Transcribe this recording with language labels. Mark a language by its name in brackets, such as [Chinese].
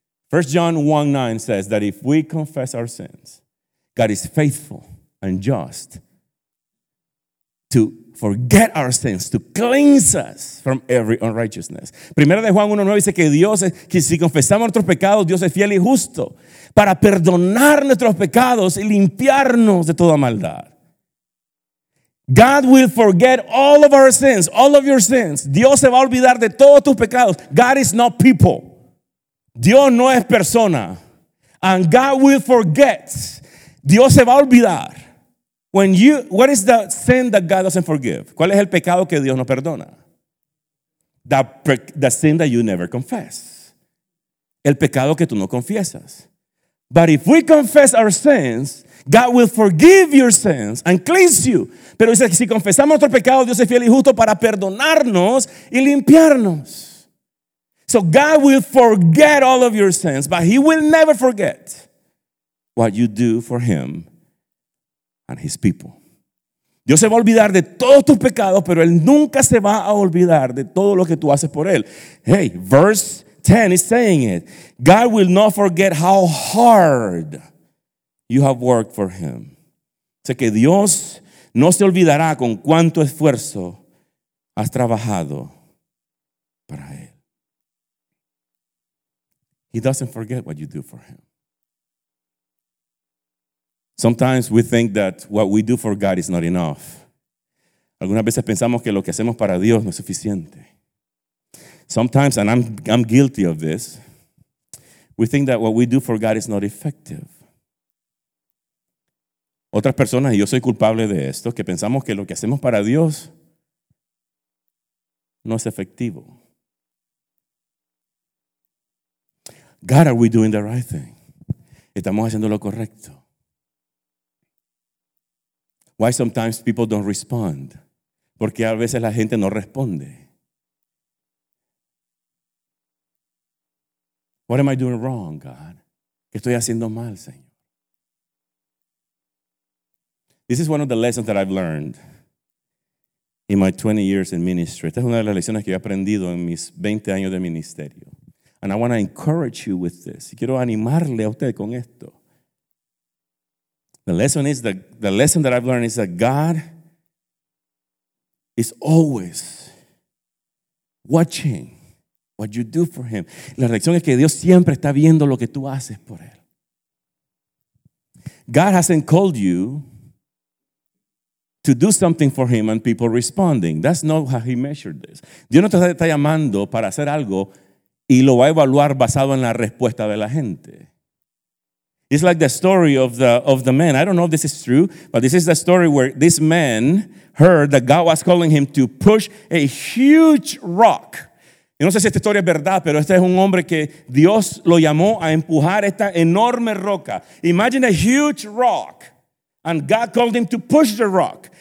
[English] 1 John 1:9 says that if we confess our sins, God is faithful and just to forget our sins, to cleanse us from every unrighteousness. [Spanish] Primera de Juan 1:9 dice que Dios es, que si confesamos nuestros pecados, Dios es fiel y justo para perdonar nuestros pecados y limpiarnos de toda maldad. [English] God will forget all of our sins, all of your sins. [Spanish] Dios se va a olvidar de todos tus pecados. [English] God is not people. [Spanish] Dios no es persona. [English] And God will forget. [Spanish] Dios se va a olvidar. [English] What is the sin that God doesn't forgive? [Spanish] ¿Cuál es el pecado que Dios no perdona? [English] The sin that you never confess. [Spanish] El pecado que tú no confiesas. [English] But if we confess our sins, God will forgive your sins and cleanse you. [Spanish] Pero dice que si confesamos nuestro pecado, Dios es fiel y justo para perdonarnos y limpiarnos. [English] So God will forget all of your sins, but He will never forget what you do for Him and His people. [Spanish] Dios se va a olvidar de todos tus pecados, pero Él nunca se va a olvidar de todo lo que tú haces por Él. [English] Hey, verse 10 is saying it. God will not forget how hard you have worked for Him. [Spanish] O sea, que Dios no se olvidará con cuánto esfuerzo has trabajado para Él. [English] He doesn't forget what you do for Him. Sometimes we think that what we do for God is not enough. [Spanish] Algunas veces pensamos que lo que hacemos para Dios no es suficiente. [English] Sometimes, and I'm guilty of this, we think that what we do for God is not effective. [Spanish] Otras personas, y yo soy culpable de esto, que pensamos que lo que hacemos para Dios no es efectivo. [English] God, are we doing the right thing? [Spanish] ¿Estamos haciendo lo correcto? [English] Why sometimes people don't respond? [Spanish] ¿Por qué a veces la gente no responde? [English] What am I doing wrong, God? [Spanish] ¿Qué estoy haciendo mal, Señor? [English] This is one of the lessons that I've learned in my 20 years in ministry. [Spanish] Esta es una de las lecciones que he aprendido en mis 20 años de ministerio. [English] And I want to encourage you with this. [Spanish] Y quiero animarle a usted con esto. [English] The lesson that I've learned is that God is always watching what you do for him. [Spanish] La reacción es que Dios siempre está viendo lo que tú haces por él. [English] God hasn't called you to do something for him and people responding. That's not how he measured this. [Spanish] Dios no te está llamando para hacer algo y lo va a evaluar basado en la respuesta de la gente. [English] It's like the story of the man. I don't know if this is true, but this is the story where this man heard that God was calling him to push a huge rock. [Spanish] Yo no sé si esta historia es verdad, pero este es un hombre que Dios lo llamó a empujar esta enorme roca. [English] Imagine a huge rock. And God called him to push the rock.